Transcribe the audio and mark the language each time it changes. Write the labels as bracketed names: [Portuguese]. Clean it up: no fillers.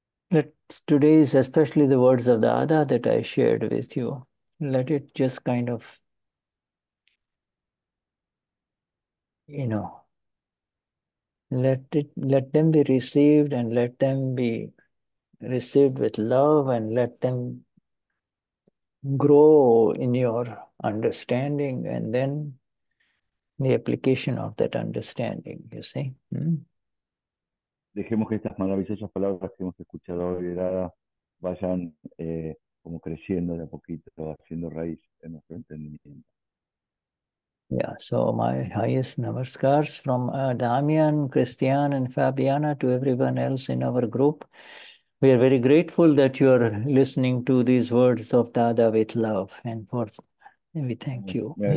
[English] Let today's, especially the words of Dada that I shared with you, let it just kind of, you know, let them be received, and let them be received with love, and let them grow in your understanding, and then the application of that understanding, you see. [Spanish] Dejemos que estas maravillosas palabras que hemos escuchado hoy de Dada vayan como creciendo de a poquito, haciendo raíz en nuestro entendimiento. [English] Yeah, so my highest namaskars from Damian, Cristian, and Fabiana to everyone else in our group. We are very grateful that you are listening to these words of Dada with love, and for we thank you.